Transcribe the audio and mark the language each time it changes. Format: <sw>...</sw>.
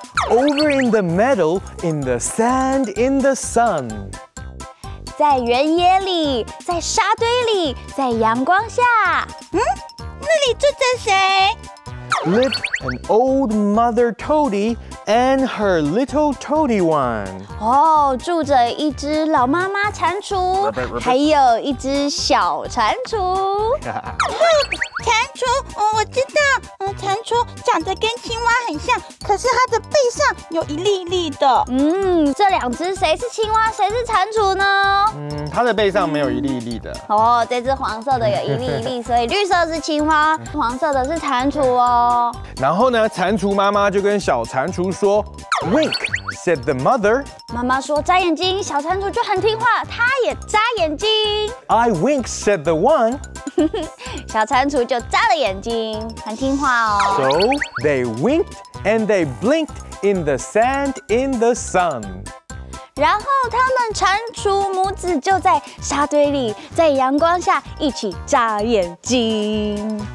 <en>Over in the meadow, in the sand, in the sun.</en> <zh>在原野里，在沙堆里，在阳光下。那里住着谁？</zh> <en>Lived an old mother toady and her little toady one.</en> <zh>住着一只老妈妈蟾蜍，还有一只小蟾蜍。蟾蜍，我知道，蟾蜍长得跟青蛙很像，可是它的背上有一粒一粒的。这两只谁是青蛙，谁是蟾蜍呢？它的背上没有一粒一粒的。这只黄色的有一粒一粒，所以绿色是青蛙，黄色的是蟾蜍哦。然后呢，蟾蜍妈妈就跟小蟾蜍说 ，</zh> <en>Wink said the mother。</en> <zh>妈妈说眨眼睛，小蟾蜍就很听话，它也眨眼睛。</zh> <en>I wink said the one。</en> <zh>小蟾蜍就眨了眼睛，很听话哦。</zh> <en>So they winked and they blinked in the sand in the sun.</en> <zh>然后他们蟾蜍母子就在沙堆里，在阳光下一起眨眼睛。</zh>